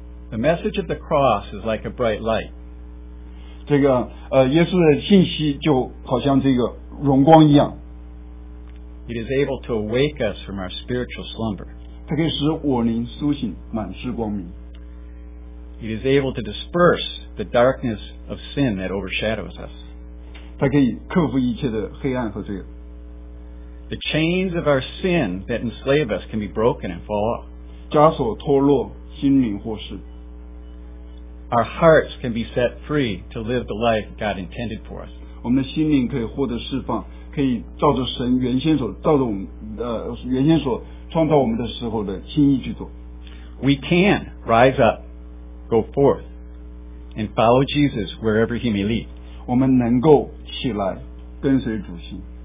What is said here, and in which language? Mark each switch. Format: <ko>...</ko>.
<en>The message of the cross is like a bright light.</en> <zh>这个耶稣的信息就好像这个荣光一样。</zh> <en>It is able to awake us from our spiritual slumber.</en> <zh>它可以使我灵苏醒，满是光明。</zh> <en>It is able to disperse the darkness of sin that overshadows us.</en> <zh>它可以克服一切的黑暗和罪恶。</zh> <en>The chains of our sin that enslave us can be broken and fall off.</en> <zh>枷锁脱落，心灵获释。</zh> <en>Our hearts can be set free to live the life God intended for us.</en> <zh>我们的心灵可以获得释放，可以照着神原先所照着我们原先所创造我们的时候的心意去做。</zh> <en>We can rise up, go forth, and follow Jesus wherever He may lead.</en> <zh>我们能够起来跟随主心。</zh>